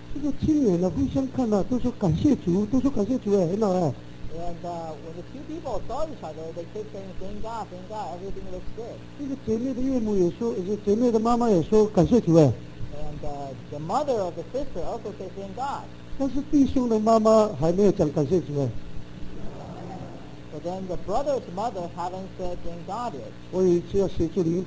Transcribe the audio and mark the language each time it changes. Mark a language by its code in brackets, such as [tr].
[zh] 这个青年呢，互相看呢，都说感谢主，都说感谢主哎，很好哎。 [en] And when the two people saw each other, they kept saying, thank God, everything looks good. [zh] 这个姐妹的岳母也说，姐妹的妈妈也说感谢主哎。 [en] And the mother of the sister also said, thank God. [zh] 但是弟兄的妈妈还没有讲感谢主哎。 [en] But then the brother's mother haven't said, thank God yet.